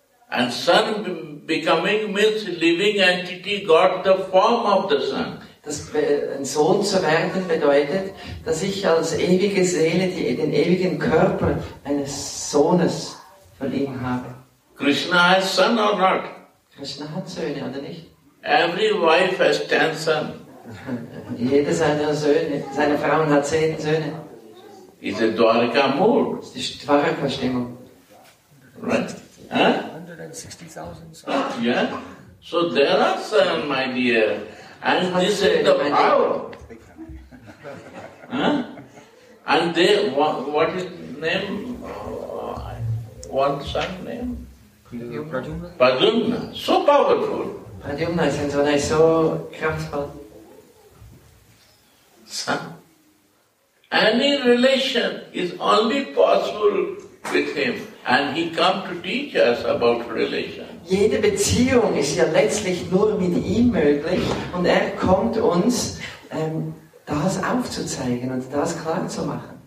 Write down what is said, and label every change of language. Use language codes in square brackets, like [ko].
[en] And son becoming means living entity got the form of the son. [de] Das ein Sohn zu werden bedeutet, dass ich als ewige Seele den ewigen Körper eines Sohnes verliehen habe. [en] Krishna has son or not? [de] Krishna hat Söhne oder nicht? [en] Every wife has 10 sons. [de] Jede seiner Söhne, seine Frauen hat 10 Söhne. [en] Is it Dwarika Mool? [de] Ist die Dwarika Stimmung. [en] Right? Huh? 60,000. Yeah. So there are some, my dear. And this is the power. Huh? And they, what is name? One son name? Pradyumna. So powerful. Pradyumna is so powerful. Son. Any relation is only possible with him. And he come to teach us about relation. [de] Jede Beziehung ist ja letztlich nur mit ihm möglich und er kommt uns das aufzuzeigen und das klar zu machen.